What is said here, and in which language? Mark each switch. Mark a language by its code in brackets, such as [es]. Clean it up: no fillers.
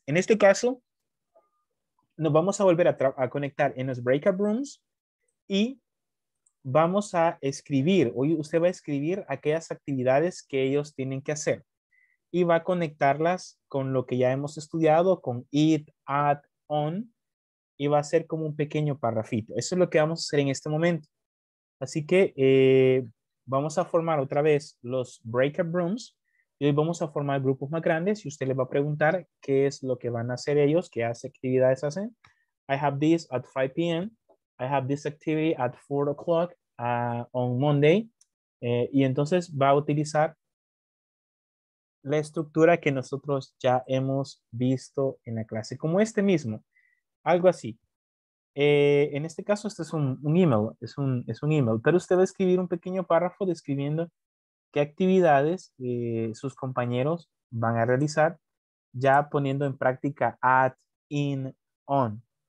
[es] En este caso, nos vamos a volver a conectar en los breakout rooms y vamos a escribir, hoy usted va a escribir aquellas actividades que ellos tienen que hacer y va a conectarlas con lo que ya hemos estudiado, con it, at, on, y va a ser como un pequeño parrafito. Eso es lo que vamos a hacer en este momento. Así que vamos a formar otra vez los breakout rooms y hoy vamos a formar grupos más grandes y usted les va a preguntar qué es lo que van a hacer ellos, qué actividades hacen. [en] I have this at 5 p.m. I have this activity at 4 o'clock on Monday. [es] Y entonces va a utilizar la estructura que nosotros ya hemos visto en la clase, como este mismo, algo así. En este caso, este es un email, pero usted va a escribir un pequeño párrafo describiendo qué actividades sus compañeros van a realizar, ya poniendo en práctica at, in, on.